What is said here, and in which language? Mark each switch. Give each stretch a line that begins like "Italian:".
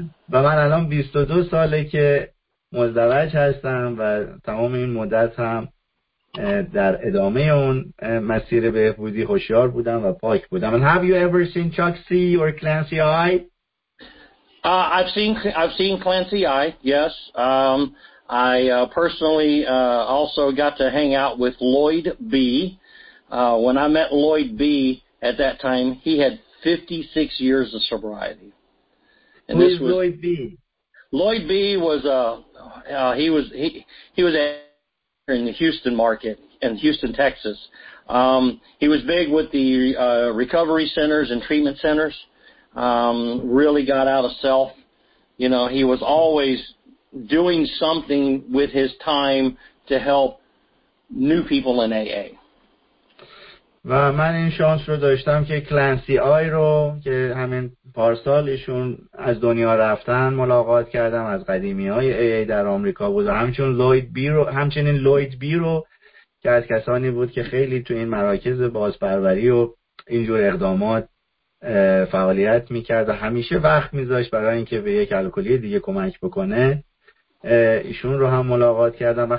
Persian: و من الان 22 ساله که مزدوج هستم و تمام این مدت هم در ادامه اون مسیر بهبودی هوشیار بودم و پاک بودم.
English: And have you ever seen Chuck C or Clancy I? I've seen Clancy I. Yes. I personally also got to hang out with Lloyd B. When I met Lloyd B at that time, he had 56 years of sobriety. And who is Lloyd B? Lloyd B was he was in the Houston market in Houston, Texas. He was big with the recovery centers and treatment centers. Really got out of self. You know, he was always doing something with his time to help new people in AA.
Persian: و من این شانس رو داشتم که کلنسی آی رو که همین پارسال ایشون از دنیا رفتن ملاقات کردم، از قدیمی های AA در آمریکا بود، و همچنین لوید بی رو که از کسانی بود که خیلی تو این مراکز بازپروری و اینجور اقدامات فعالیت میکرد و همیشه وقت میذاشت برای اینکه به یک الکلی دیگه کمک بکنه، ایشون رو هم ملاقات کردم.